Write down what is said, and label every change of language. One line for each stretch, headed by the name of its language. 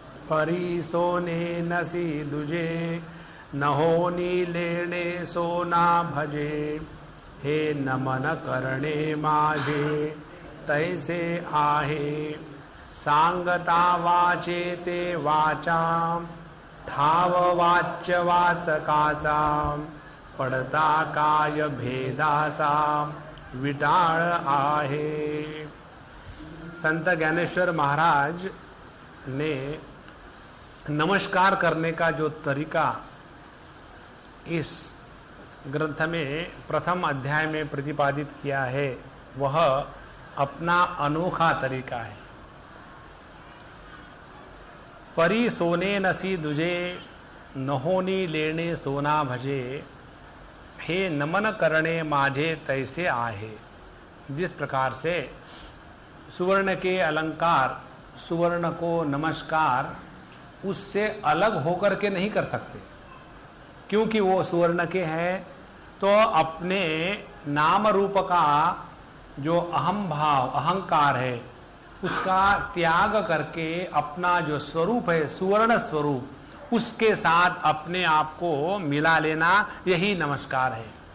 Marathi: परी सोने नसी दुजे नहोनी लेणे सोना भजे हे नमन करणे माझे तैसे आहे सांगता वाचे ते वाचा ठाव वाच्य वाचकाचा पडता काय भेदाचा विटाळ आहे।
Hindi: संत ज्ञानेश्वर महाराज ने नमस्कार करने का जो तरीका इस ग्रंथ में प्रथम अध्याय में प्रतिपादित किया है वह अपना अनोखा तरीका है।
Marathi: परी सोने नसी दुजे नहोनी लेने सोना भजे हे नमन करणे माझे तैसे आहे।
Hindi: जिस प्रकार से सुवर्ण के अलंकार सुवर्ण को नमस्कार उससे अलग होकर के नहीं कर सकते क्योंकि वो सुवर्ण के हैं तो अपने नाम रूप का जो अहम भाव अहंकार है उसका त्याग करके अपना जो स्वरूप है सुवर्ण स्वरूप उसके साथ अपने आप को मिला लेना यही नमस्कार है।